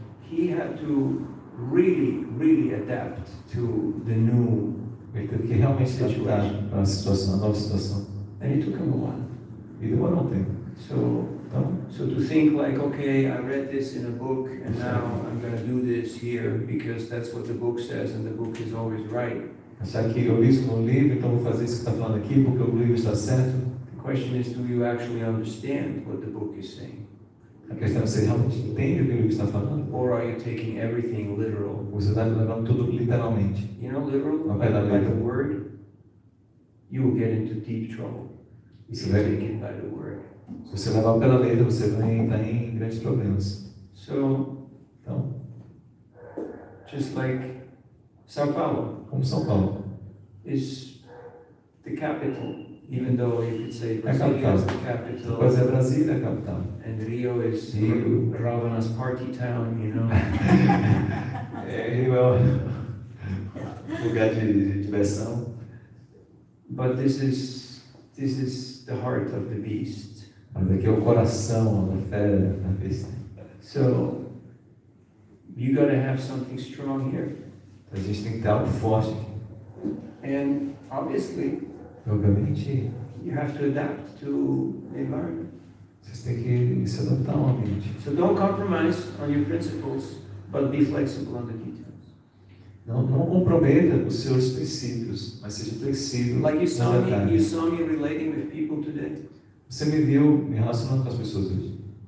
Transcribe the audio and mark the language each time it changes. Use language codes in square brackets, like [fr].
[en] He had to really, really adapt to the new [pt] situation. Para a situação, a nova situação. [en] And it took him a while. [pt] E demorou um tempo. [en] So to think like, okay, I read this in a book and now I'm going to do this here because that's what the book says and the book is always right. [pt] Achar que eu li isso no livro, então vou fazer isso que está falando aqui, porque o livro está certo. [en] The question is, do you actually understand what the book is saying? [pt] A questão é, você realmente entende o que o livro está falando? [en] Or are you taking everything literal? [pt] Você está levando tudo literalmente. [en] You know, literal, by the word, you will get into deep trouble. [pt] Se você [en] taken by the word. [pt] Se você levar pela letra, você vai entrar em grandes problemas. Então, [en] just like São Paulo. [pt] Como São Paulo. [en] Is the capital, even though you could say Brasília is the capital. [pt] Pois é, Brasília é a capital. [en] And Rio is Rio. Ravana's party town, you know. [pt] Rio é um lugar de diversão. [en] But this is the heart of the beast. [pt] Mas aqui é o coração da fera, da besta. [en] So, you gotta have something strong here. [pt] A gente tem que ter algo forte. [en] And obviously, [pt] obviamente, [en] you have to adapt to the environment. [pt] Vocês têm que se adaptar ao ambiente. [en] So don't compromise on your principles, But be flexible on the details. [pt] Não comprometa os seus princípios, mas seja flexível. [en] Like you saw me, you saw me relating with people today. [pt] Você me viu me relacionando com as pessoas hoje.